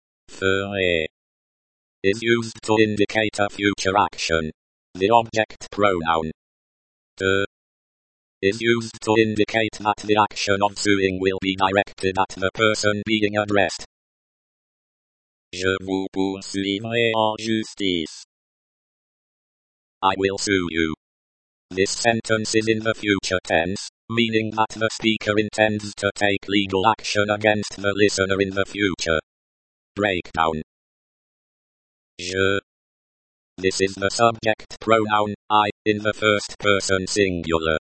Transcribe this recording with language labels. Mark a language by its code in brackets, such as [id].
[en] Ferai. Is used to indicate a future action. The object pronoun de is used to indicate that the action of suing will be directed at the person being addressed. [fr] Je vous poursuivrai en justice. [en] I will sue you. This sentence is in the future tense, meaning that the speaker intends to take legal action against the listener in the future. Breakdown. Je. This is the subject pronoun, I, in the first person singular.